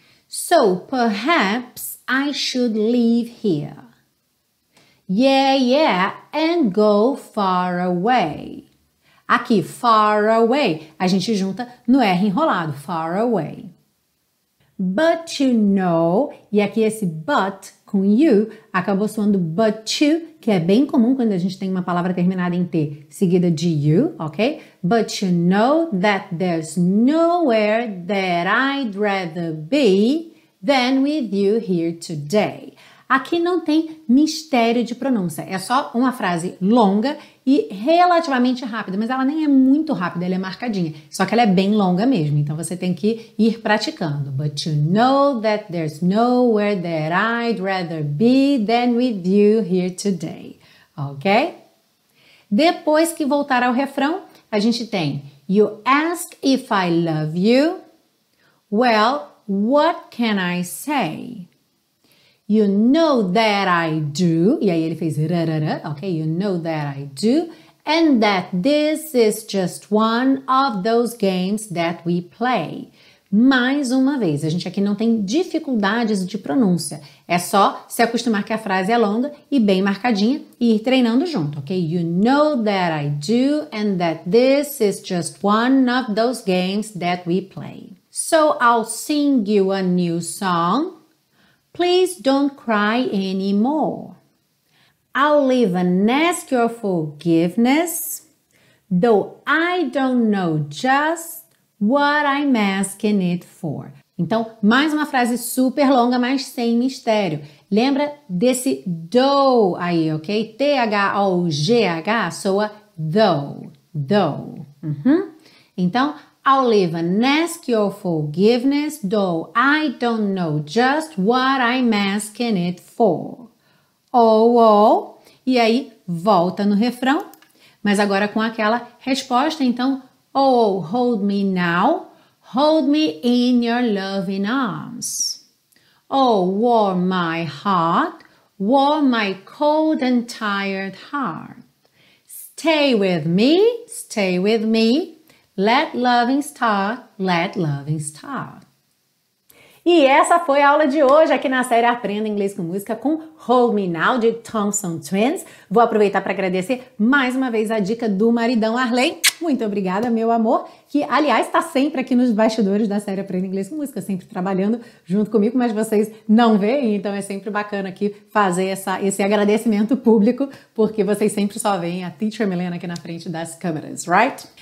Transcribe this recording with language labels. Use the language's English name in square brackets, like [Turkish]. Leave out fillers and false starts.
[English] So perhaps I should leave here. Yeah, yeah, and go far away. [Portuguese] Aqui, [English] far away, [Portuguese] a gente junta no R enrolado, far away. [English] But you know, [Portuguese] e aqui esse but com you, acabou soando but you, que é bem comum quando a gente tem uma palavra terminada em T, seguida de you, ok? [English] But you know that there's nowhere that I'd rather be than with you here today. [Portuguese] Aqui não tem mistério de pronúncia, é só uma frase longa e relativamente rápida, mas ela nem é muito rápida, ela é marcadinha, só que ela é bem longa mesmo, então você tem que ir praticando. [English] But you know that there's nowhere that I'd rather be than with you here today, ok? [Portuguese] Depois que voltar ao refrão, a gente tem [English] you ask if I love you, well, what can I say? You know that I do, [Portuguese] e aí ele fez rarara, ok? [English] You know that I do, and that this is just one of those games that we play. [Portuguese] Mais uma vez, a gente aqui não tem dificuldades de pronúncia, é só se acostumar que a frase é longa e bem marcadinha e ir treinando junto, ok? [English] You know that I do, and that this is just one of those games that we play. So I'll sing you a new song. Please don't cry anymore. I'll even ask your forgiveness, though I don't know just what I'm asking it for. [Portuguese] Então, mais uma frase super longa, mas sem mistério. Lembra desse though aí, ok? T-H-O-G-H soa though. Uhum. [English] Então, I'll even ask your forgiveness, though I don't know just what I'm asking it for. Oh, oh. [Portuguese] E aí, volta no refrão, mas agora com aquela resposta, então. [English] Oh, oh, hold me now, hold me in your loving arms. Oh, warm my heart, warm my cold and tired heart. Stay with me, stay with me. Let loving start, let loving start. [Portuguese] E essa foi a aula de hoje aqui na série Aprenda Inglês com Música com Hold Me Now, de Thompson Twins. Vou aproveitar para agradecer mais uma vez a dica do maridão Arley. Muito obrigada, meu amor, que, aliás, está sempre aqui nos bastidores da série Aprenda Inglês com Música, sempre trabalhando junto comigo, mas vocês não veem, então é sempre bacana aqui fazer esse agradecimento público, porque vocês sempre só veem a Teacher Milena aqui na frente das câmeras, right?